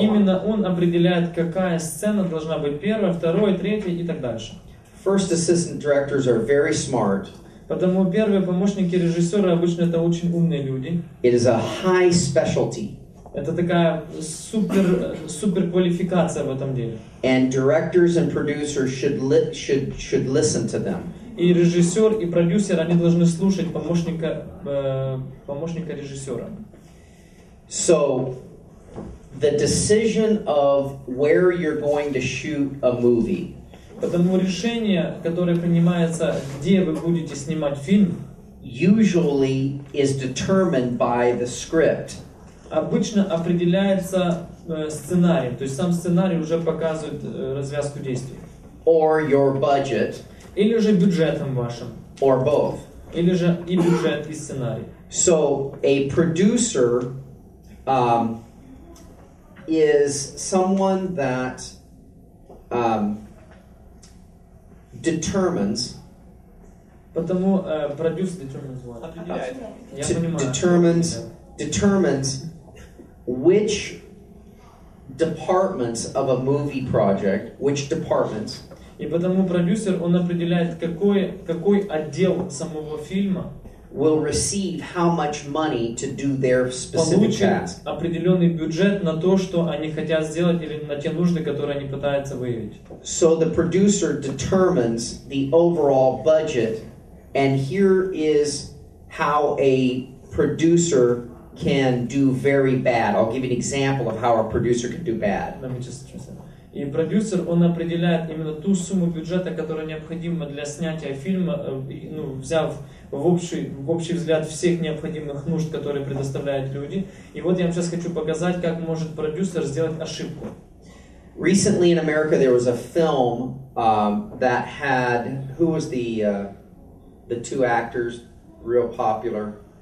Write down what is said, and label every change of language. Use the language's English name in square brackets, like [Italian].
[Russian] И именно он определяет, какая сцена должна быть первая, вторая, третья и так дальше. [English] First assistant directors are very smart. [Russian] Потому первые помощники режиссера обычно это очень умные люди. [English] It is a high specialty. [Russian] Это такая супер, супер квалификация в этом деле. [English] And directors and producers should listen to them. [Russian] И режиссер, и продюсер, они должны слушать помощника, помощника режиссера. [English] So, the decision of where you're going to shoot a movie. [Russian] Потому решение, которое принимается, где вы будете снимать фильм, [English] usually is determined by the script. [Russian] Обычно определяется сценарием, то есть сам сценарий уже показывает развязку действий. [English] Or your budget. [Russian] Или же бюджетом вашим. [English] Or both. [Russian] Или же и бюджет, и сценарий. [English] So, a producer is someone that determines. [Russian] Потому продюсер [English] determines what? Determines which departments of a movie project, which departments. [Russian] И потому продюсер, он определяет, какой отдел самого фильма [English] will receive how much money to do their specific task. [Russian] Определенный бюджет на то, что они хотят сделать, или на те нужды, которые они пытаются выявить. [English] So the producer determines the overall budget, and here is how a producer can do very bad. I'll give you an example of how a producer can do bad. Let me just address that. [Russian] И продюсер, он определяет именно ту сумму бюджета, которая необходима для снятия фильма, ну, взяв в общий взгляд всех необходимых нужд, которые предоставляют люди. И вот я вам сейчас хочу показать, как может продюсер сделать ошибку. [English] Recently in America there was a film that had, who was the two actors real popular?